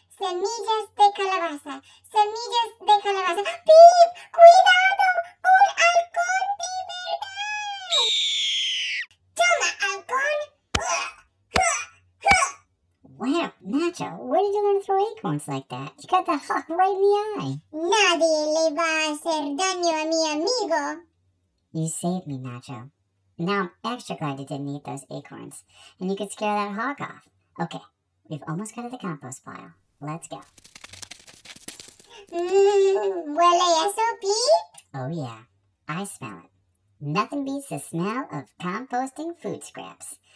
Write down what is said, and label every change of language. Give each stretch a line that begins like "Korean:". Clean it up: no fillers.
Spanish: Semillas de calabaza. Semillas de calabaza. ¡Pip! ¡Cuidado! ¡Un halcón de verdad! ¡Toma, halcón!
English: Wow, Nacho, where did you learn to throw acorns like that? You got that hawk right in the eye.
Spanish: Nadie le va a hacer daño a mi amigo.
English: You saved me, Nacho. Now I'm extra glad you didn't eat those acorns. And you could scare that hawk off. Okay, we've almost got to the compost pile. Let's go.
Spanish: Huele eso, Pete?
English: Oh yeah, I smell it. Nothing beats the smell of composting food scraps.